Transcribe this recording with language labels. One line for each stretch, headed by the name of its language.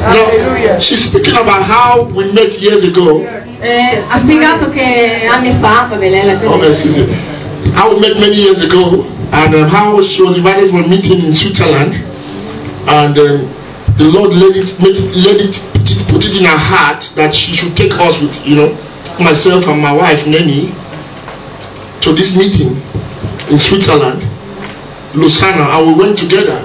English: Now, she's speaking about how we met years ago.
Italian: Ha spiegato che anni fa, vabbè, lei la
English: gente. Okay, excuse me. How we met many years ago, and how she was invited for a meeting in Switzerland, and the Lord put it in her heart that she should take us with, you know, myself and my wife Nanny, to this meeting in Switzerland, Lausanne, and we went together.